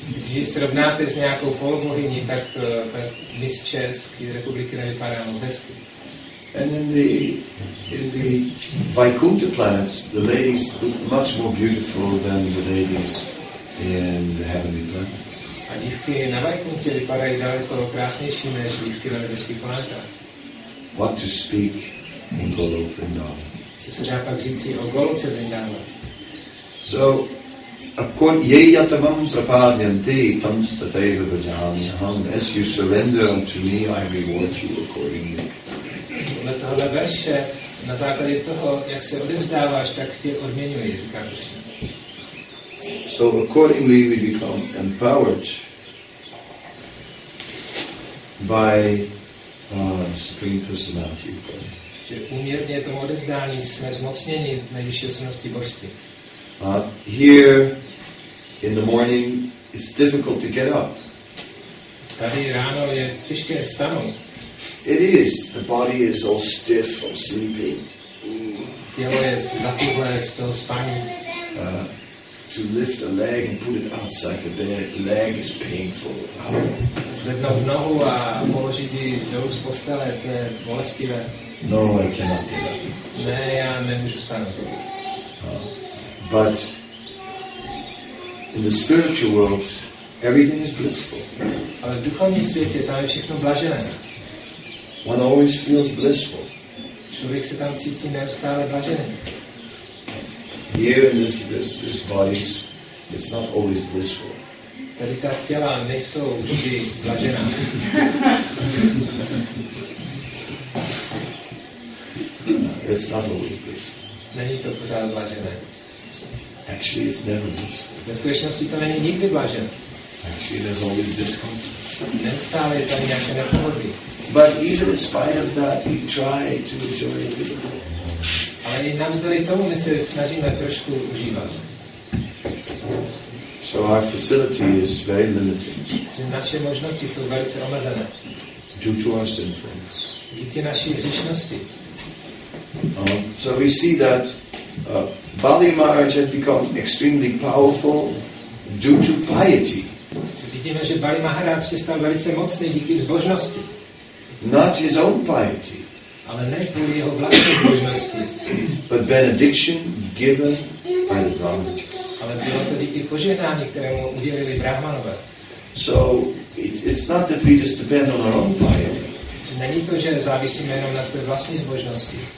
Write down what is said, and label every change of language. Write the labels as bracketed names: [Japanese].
[Czech] Když srovnáte s nějakou polobohyní, tak Miss České republiky nevypadá moc hezky. [English] And in the Vaikuntha planets, the ladies look much more beautiful than the ladies in the heavenly planets. [Czech] A dívky na Vaikuntě vypadají daleko krásnější než dívky na nebeských planetách. [English] What to speak in Goloka Vrindavan? [Czech] Co se dá pak říct o Goloce Vrindavan? [Sanskrit] So, yeyatamam prapadyanti tam stateva bhajami aham. [English] As you surrender unto me, I reward you accordingly. [Czech] Na tohle verše, na základě toho, jak se odevzdáváš, tak tě odměňuje, říká Krishna. [English] So accordingly we become empowered by the Supreme Personality of Godhead. [Czech] Že uměrně tomu odevzdání jsme zmocněni nejvyšší osobnosti Božství. [English] Here in the morning it's difficult to get up. [Czech] Tady ráno je těžké vstanout. [English] It is. The body is all stiff from sleeping. [Czech] Tělo je zapuhlé z toho spání. [English] To lift a leg and put it outside the bed, leg is painful. [Czech] Zvednout nohu a položit ji dolů z postele, to je bolestivé. [English] No, I cannot get up. [Czech] Ne, já nemůžu spánit. [English] But in the spiritual world, everything is blissful. [Czech] Ale v duchovním světě tam je všechno blažené. [English] One always feels blissful. [Czech] Člověk se tam cítí neustále blažený. [English] Here in this bodies, it's not always blissful. [Czech] Tady ta těla nejsou vždy blažená. [English] It's not always blissful. [Czech] Není to pořád blažené. [English] Actually, it's never blissful. [Czech] Ve skutečnosti to není nikdy blažené. [English] Actually, there's always discomfort. [Czech] Neustále je tam nějaké nepohodlí. [English] But even in spite of that, we try to enjoy a little bit. [Czech] Ale i navzdory tomu my se snažíme trošku užívat. [English] So our facility is very limited. [Czech] Že naše možnosti jsou velice omezené. [English] Due to our sinfulness. [Czech] Díky naší hříšnosti. [English] So we see that Bali Maharaj had become extremely powerful due to piety. [Czech] Vidíme, že Bali Maharaj se stal velice mocný díky zbožnosti. [English] Not his own piety, [Czech] ale ne kvůli jeho vlastní zbožnosti, [English] but benediction given by the Brahmanas. [Czech] Ale bylo to díky požehnání, které mu udělili Brahmanové. [English] So it's not that we just depend on our own piety. [Czech] Není to, že závisíme jenom na své vlastní zbožnosti.